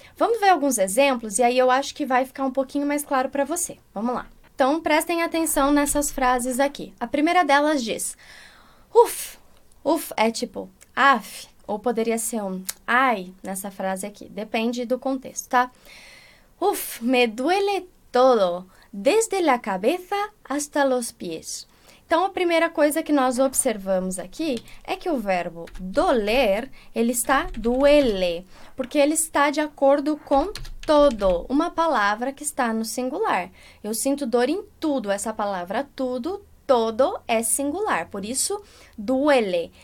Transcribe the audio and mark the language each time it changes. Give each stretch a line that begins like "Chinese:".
Portuguese: Vamos ver alguns exemplos e aí eu acho que vai ficar um pouquinho mais claro para você. Vamos lá. Então, prestem atenção nessas frases aqui. A primeira delas diz, uf, é tipo, af, ou poderia ser um ai, nessa frase aqui. Depende do contexto, tá?
Spanish: Uf, me duele todo, desde la cabeza hasta los pies.
Portuguese: Então, a primeira coisa que nós observamos aqui é que o verbo doler, ele está duele, porque ele está de acordo com todo, uma palavra que está no singular. Eu sinto dor em tudo, essa palavra tudo, todo é singular, por isso duele.